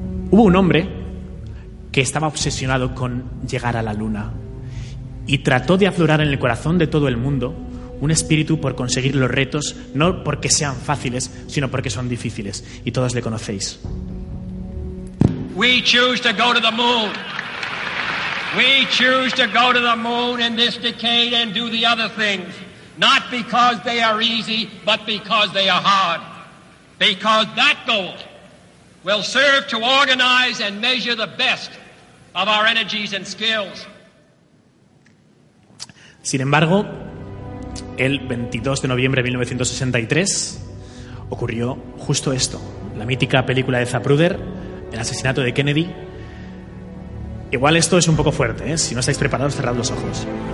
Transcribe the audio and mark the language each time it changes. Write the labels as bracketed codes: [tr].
[es] Hubo un hombre que estaba obsesionado con llegar a la luna y trató de aflorar en el corazón de todo el mundo un espíritu por conseguir los retos, no porque sean fáciles, sino porque son difíciles. Y todos le conocéis. [en] We choose to go to the moon. We choose to go to the moon in this decade and do the other things. Not because they are easy, but because they are hard. Because that goal will serve to organize and measure the best of our energies and skills. [es] Sin embargo, el 22 de noviembre de 1963 ocurrió justo esto. La mítica película de Zapruder, el asesinato de Kennedy. Igual esto es un poco fuerte, ¿eh? Si no estáis preparados, cerrad los ojos.